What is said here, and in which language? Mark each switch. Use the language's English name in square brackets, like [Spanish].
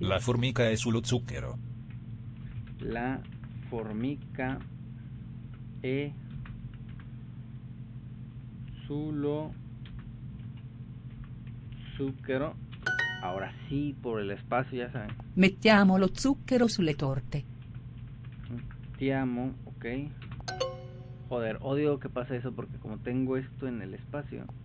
[Italian] La formica è sullo zucchero. La formica è sullo zucchero. [Spanish] Ahora sí, por el espacio, ya saben. [Italian] Mettiamo lo zucchero sulle torte. Mettiamo, ok. [Spanish] Joder, odio que pase eso porque como tengo esto en el espacio.